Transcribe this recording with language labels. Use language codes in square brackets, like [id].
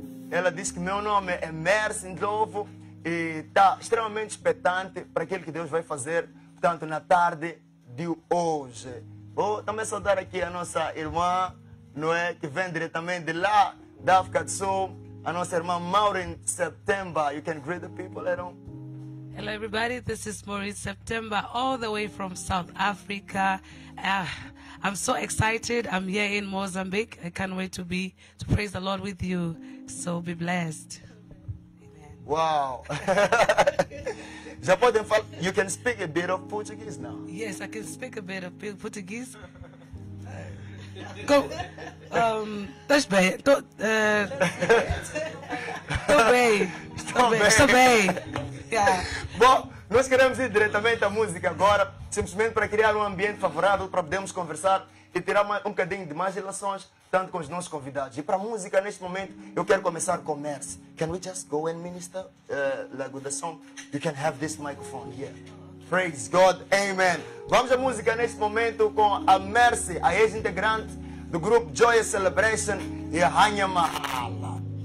[pt] Ela disse que meu nome é Mercy Ndlovu e está extremamente expectante para aquilo que Deus vai fazer, portanto, na tarde de hoje. Vou também saudar aqui a nossa irmã, Noé, que vem diretamente de lá, da África do Sul, a nossa irmã Maureen September. [en] You can greet the people at home. Hello everybody, this is Maureen September, all the way from South Africa. I'm so excited. I'm here in Mozambique. I can't wait to praise the Lord with you. So be blessed. [pt] Amen. Wow. Já podem falar? [en] You can speak a bit of Portuguese now. Yes, I can speak a bit of Portuguese. Go. [pt] Estás bem? Estou bem. Estou bem. Estou bem. Bom, nós queremos ir diretamente à música agora, simplesmente para criar um ambiente favorável para podermos conversar e tirar um bocadinho de mais relações tanto com os nossos convidados. E para a música, neste momento, eu quero começar com Mercy. [en] Can we just go and minister like with the song? You can have this microphone here. Praise God. Amen. [pt] Vamos à música neste momento com a Mercy, a ex-integrante do grupo Joyous Celebration e a Rainha Mahala.